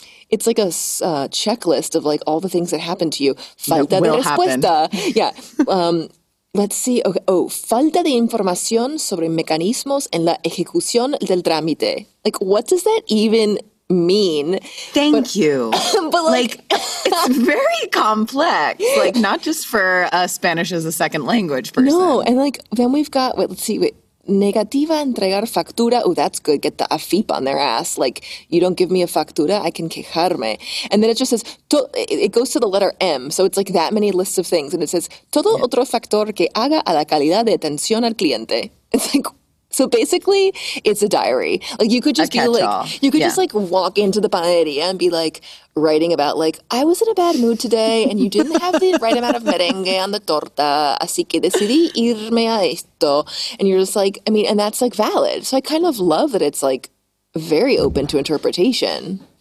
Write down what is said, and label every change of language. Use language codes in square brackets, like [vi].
[en] It's like a checklist of like all the things that happened to you. [es] Falta de respuesta. Happen. [en] Yeah. let's see. Okay. [es] Oh, falta de información sobre mecanismos en la ejecución del trámite. [en] Like, what does that even mean? Thank you. But like it's very complex, like not just for a Spanish as a second language person. No, and like then we've got, wait, let's see, wait, [es] negativa entregar factura. [en] Oh, that's good. Get the AFIP on their ass. Like, you don't give me a factura, I can quejarme. And then it just says, it goes to the letter M. So it's like that many lists of things. And it says, todo yeah. [es] otro factor que haga a la calidad de atención al cliente. [en] It's like, so basically, it's a diary. Like, you could just be like, you could yeah. just like walk into the panaderia and be like writing about like, I was in a bad mood today and you didn't have the right amount of merengue on the torta, [es] así que decidí irme a esto. [en] And you're just like, I mean, and that's like valid. So I kind of love that it's like very open to interpretation.